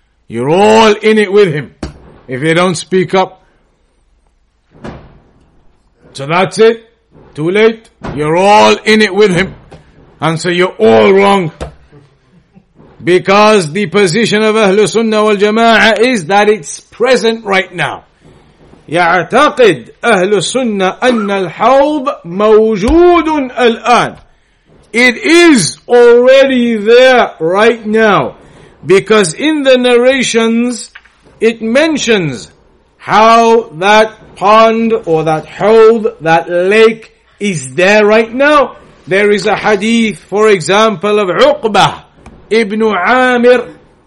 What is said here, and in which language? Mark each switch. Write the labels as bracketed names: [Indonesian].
[English] You're all in it with him, if you don't speak up. So that's it. Too late. You're all in it with him. And so you're all wrong. Because the position of Ahlul Sunnah wal Jama'ah is that it's present right now. [Arabic] يعتقد أهل السنة أن الحوض موجود الآن. [English] It is already there right now. Because in the narrations, it mentions how that pond or that hold, that lake is there right now. There is a hadith, for example, of Uqbah ibn Amir.